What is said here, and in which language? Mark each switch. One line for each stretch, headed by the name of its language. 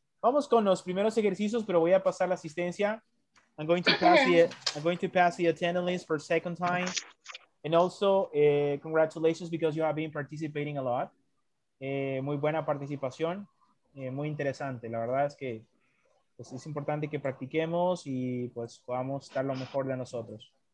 Spanish: Vamos con los primeros ejercicios, pero voy a pasar la asistencia.
English: I'm going to pass the attendance list for a second time. And also, congratulations because you have been participating a lot.
Spanish: Muy buena participación. Muy interesante. La verdad es que pues, es importante que practiquemos y pues podamos dar lo mejor de nosotros.